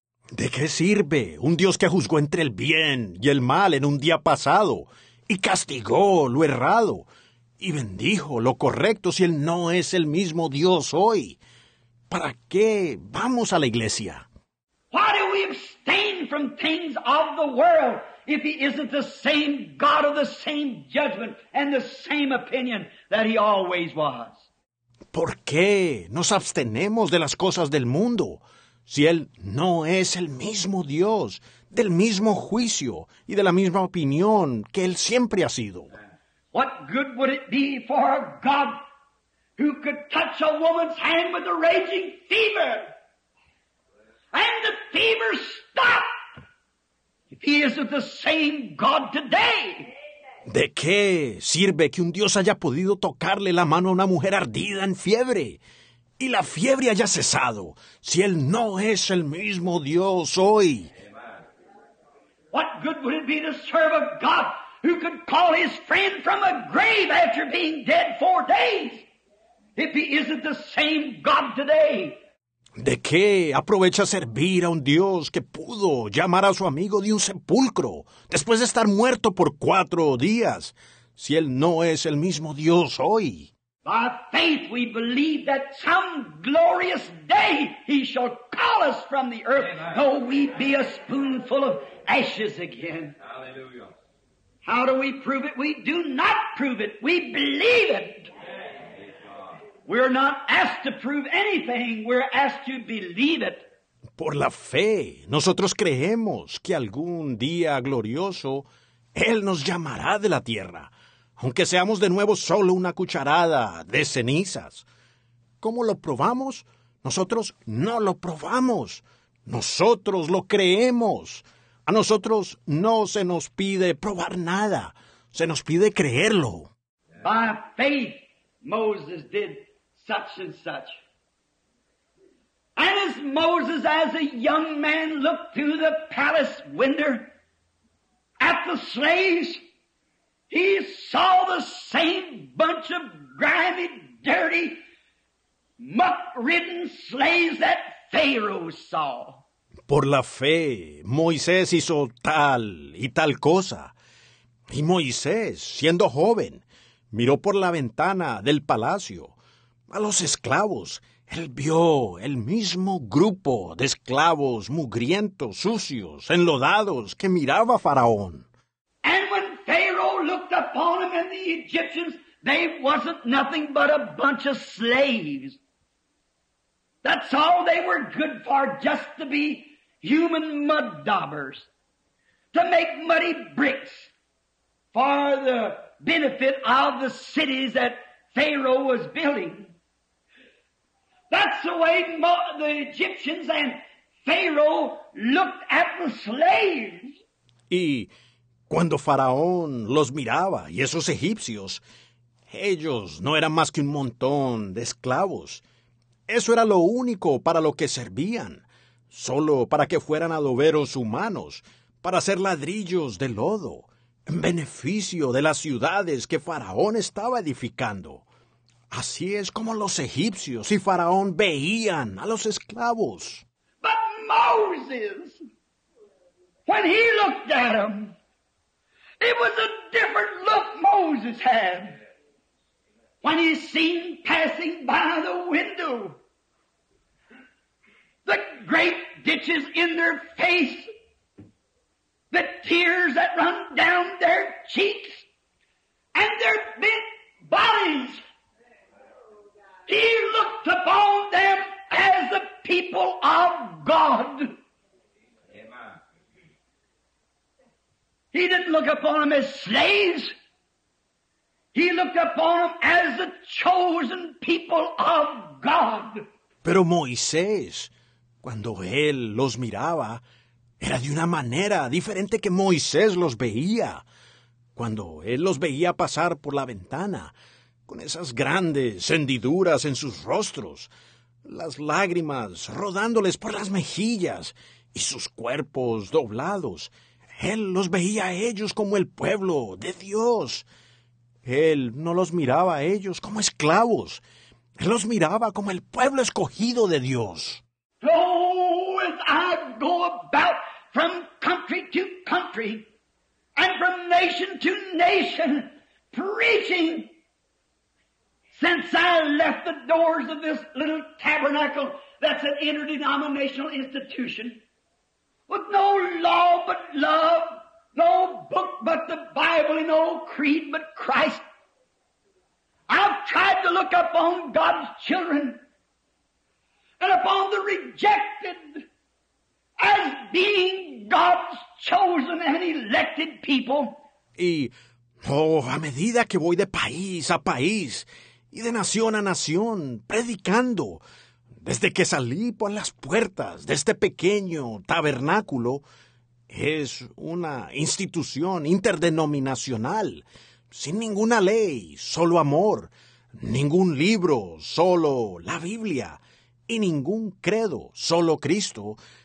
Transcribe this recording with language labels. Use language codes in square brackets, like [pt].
[es] ¿De qué sirve un Dios que juzgó entre el bien y el mal en un día pasado y castigó lo errado y bendijo lo correcto si él no es el mismo Dios hoy? ¿Para qué vamos a la iglesia? [en] Why do we abstain from things of the world if he isn't the same God of the same judgment and the same opinion that he always was? [es] ¿Por qué nos abstenemos de las cosas del mundo si él no es el mismo Dios, del mismo juicio y de la misma opinión que él siempre ha sido? [en] What good would it be for a God who could touch a woman's hand with a raging fever and the fever stop if he isn't the same God today? [es] ¿De qué sirve que un Dios haya podido tocarle la mano a una mujer ardida en fiebre y la fiebre haya cesado si él no es el mismo Dios hoy? [en] What good would it be to serve a God who could call his friend from a grave after being dead 4 days if he isn't the same God today? [es] ¿De qué aprovecha servir a un Dios que pudo llamar a su amigo de un sepulcro después de estar muerto por 4 días si él no es el mismo Dios hoy? [en] By faith we believe that some glorious day he shall call us from the earth, amen, though we be a spoonful of ashes again. Hallelujah. How do we prove it? We do not prove it. We believe it. We're not asked to prove anything. We're asked to believe it. [es] Por la fe, nosotros creemos que algún día glorioso, él nos llamará de la tierra, aunque seamos de nuevo solo una cucharada de cenizas. ¿Cómo lo probamos? Nosotros no lo probamos. Nosotros lo creemos. A nosotros no se nos pide probar nada. Se nos pide creerlo. [en] By faith, Moses did such and such. And as Moses, as a young man, looked through the palace window at the slaves, he saw the same bunch of grimy, dirty, muck-ridden slaves that Pharaoh saw. [es] Por la fe, Moisés hizo tal y tal cosa. Y Moisés, siendo joven, miró por la ventana del palacio a los esclavos. Él vio el mismo grupo de esclavos mugrientos, sucios, enlodados que miraba Faraón. [en] And when Pharaoh looked upon them and the Egyptians, they wasn't nothing but a bunch of slaves. That's all they were good for, just to be human mud daubers, to make muddy bricks for the benefit of the cities that Pharaoh was building. That's the way the Egyptians and Pharaoh looked at the slaves. [es] Y cuando Faraón los miraba y esos egipcios, ellos no eran más que un montón de esclavos. Eso era lo único para lo que servían, solo para que fueran adoberos humanos, para hacer ladrillos de lodo, en beneficio de las ciudades que Faraón estaba edificando. Así es como los egipcios y Faraón veían a los esclavos. [en] But Moses, when he looked at them, it was a different look Moses had when he seen passing by the window the great ditches in their face, the tears that run down their cheeks, and their bent bodies. He looked upon them as the people of God. Amen. He didn't look upon them as slaves. He looked upon them as the chosen people of God. [es] Pero Moisés, cuando él los miraba, era de una manera diferente que Moisés los veía. Cuando él los veía pasar por la ventana, con esas grandes hendiduras en sus rostros, las lágrimas rodándoles por las mejillas y sus cuerpos doblados, él los veía a ellos como el pueblo de Dios. Él no los miraba a ellos como esclavos. Él los miraba como el pueblo escogido de Dios. [en] Oh, if I go about from country to country and from nation to nation preaching, since I left the doors of this little tabernacle that's an interdenominational institution, with no law but love, no book but the Bible, and no creed but Christ, I've tried to look upon God's children and upon the rejected as being God's chosen and elected people. [es] Y, a medida que voy de país a país y de nación a nación, predicando, desde que salí por las puertas de este pequeño tabernáculo, es una institución interdenominacional, sin ninguna ley, solo amor, ningún libro, solo la Biblia, y ningún credo, solo Cristo.